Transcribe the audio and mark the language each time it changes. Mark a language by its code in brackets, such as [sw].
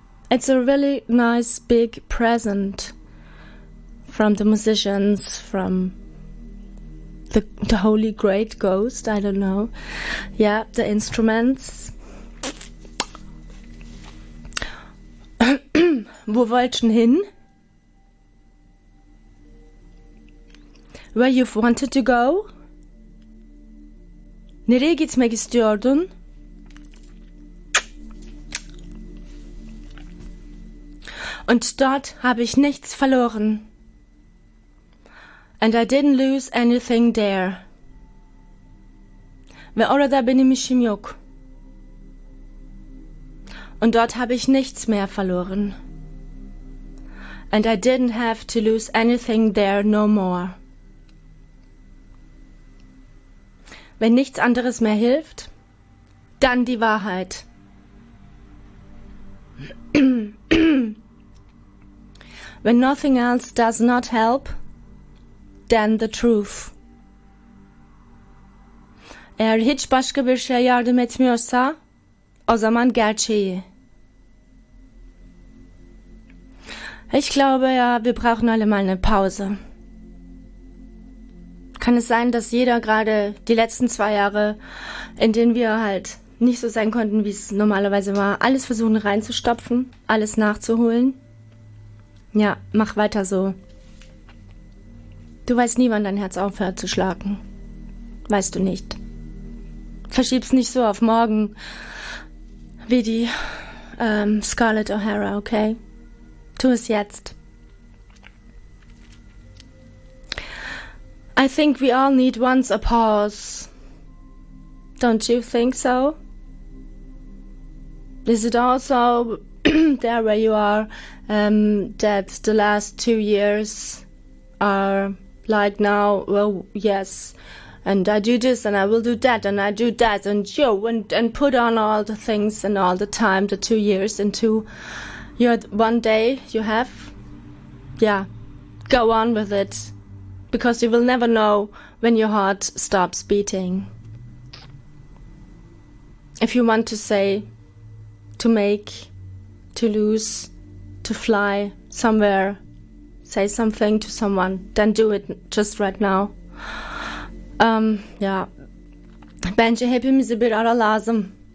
[en] It's a really nice big present from the musicians, from the holy great ghost, I don't know. Yeah, the instruments. [de] Wo wollt schon hin? [en] Where you've wanted to go? [tr] Nereye gitmek istiyordun? [de] Und dort habe ich nichts verloren. [en] And I didn't lose anything there. [tr] Ve orada benim işim yok. [de] Und dort habe ich nichts mehr verloren. [en] And I didn't have to lose anything there no more. [de] Wenn nichts anderes mehr hilft, dann die Wahrheit. [en] When nothing else does not help, then the truth. [tr] Eğer hiç başka bir şey yardım etmiyorsa, o zaman gerçeği. [de] Ich glaube ja, wir brauchen alle mal eine Pause. Kann es sein, dass jeder gerade die letzten 2 Jahre, in denen wir halt nicht so sein konnten, wie es normalerweise war, alles versuchen reinzustopfen, alles nachzuholen? Ja, mach weiter so. Du weißt nie, wann dein Herz aufhört zu schlagen. Weißt du nicht. Verschieb's nicht so auf morgen wie die Scarlett O'Hara, okay? Tu es jetzt. [en] I think we all need once a pause. Don't you think so? Is it also there where you are that the last 2 years are like now? Well, yes. And I do this and I will do that and I do that and yo, and put on all the things and all the time, the 2 years into your one day you have. Yeah, go on with it. Because you will never know when your heart stops beating. If you want to say, to make, to lose, to fly somewhere, say something to someone, then do it just right now. [de] Ja. [tr] Bence hepimize bir ara lazım.